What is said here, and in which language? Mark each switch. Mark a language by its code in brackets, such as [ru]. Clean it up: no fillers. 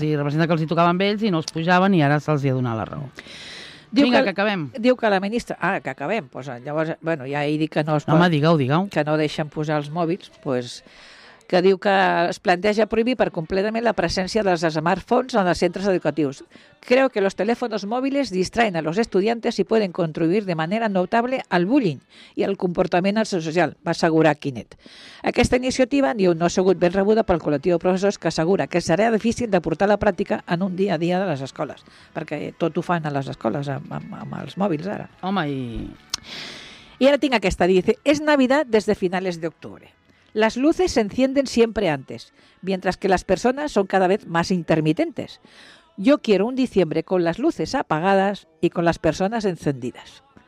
[ca] Els representa que els hi tocaven ells i no els pujaven i ara se'ls hi ha donat la raó. Diu vinga, que acabem. Diu que la ministra... Ah, que acabem. Pues, llavors, bueno, ja he dit que no es poden... No, digueu. Que no deixen posar els mòbils. Pues, que diu que es planteja prohibir per completament la presència dels smartphones en els centres educatius. [es] Creo que los teléfonos móviles distraen a los estudiantes y pueden contribuir de manera notable al bullying y al comportament social, [ca] va assegurar Quinet. Aquesta iniciativa, diu, no ha sigut ben rebuda pel col·lectiu de professors que assegura que serà difícil de portar a la pràctica en un dia a dia de les escoles, perquè tot ho fan a les escoles amb els mòbils ara. Home, i ara tinc aquesta, [es] dice, es Navidad desde finales de octubre. Las luces se encienden siempre antes, mientras que las personas son cada vez más intermitentes. Yo quiero un diciembre con las luces apagadas y con las personas encendidas.